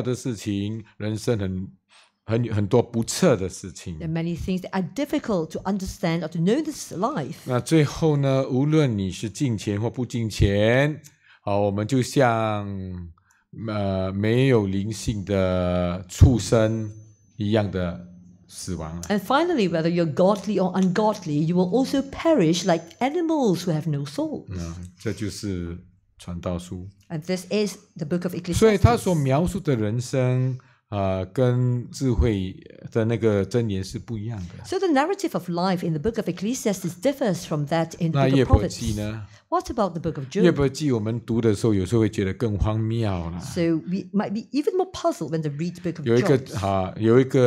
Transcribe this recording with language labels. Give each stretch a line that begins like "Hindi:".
Chinese: 人生有很多难料的事情，人生很 很多不测的事情。
English: There are many things that are difficult to understand or to know this life.
Chinese: 那最后呢，无论你是敬虔或不敬虔，我们就像没有灵性的畜生一样的死亡了。
English: And finally, whether you're godly or ungodly, you will also perish like animals who have no soul.
Chinese: 这就是传道书。
English: And this is the book of Ecclesiastes.
Chinese: 所以他所描述的人生 跟智慧的那个箴言是不一样的。
English: So the narrative of life in the book of Ecclesiastes differs from that in the book of Proverbs.
Chinese: 那耶伯记呢？
English: What about the book of Job?
Chinese: 耶伯记我们读的时候有时候会觉得更荒谬了。
English: So we might be even more puzzled when we read the book of Job.